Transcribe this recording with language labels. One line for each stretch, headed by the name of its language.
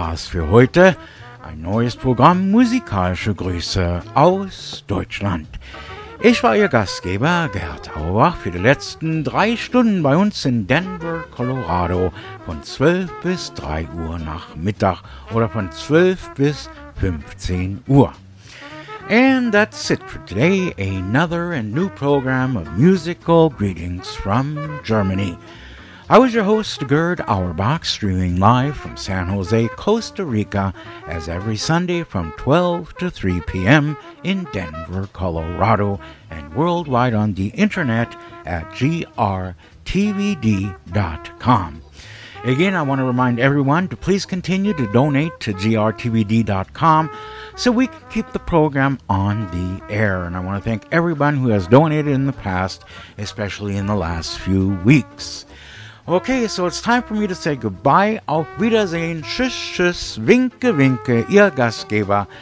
German: Für heute ein neues Programm Musikalische Grüße aus Deutschland. Ich war Ihr Gastgeber Gerd Auerbach für die letzten 3 Stunden bei uns in Denver, Colorado von 12 bis 3 Uhr nach Mittag oder von 12 bis 15 Uhr.
English: And that's it for today, another and new program of musical greetings from Germany. I was your host, Gerd Auerbach, streaming live from San Jose, Costa Rica, as every Sunday from 12 to 3 p.m. in Denver, Colorado, and worldwide on the internet at grtvd.com. Again, I want to remind everyone to please continue to donate to grtvd.com so we can keep the program on the air. And I want to thank everyone who has donated in the past, especially in the last few weeks. Okay, so it's time for me to say goodbye.
German: Auf Wiedersehen, tschüss, tschüss, winke, winke, ihr Gastgeber.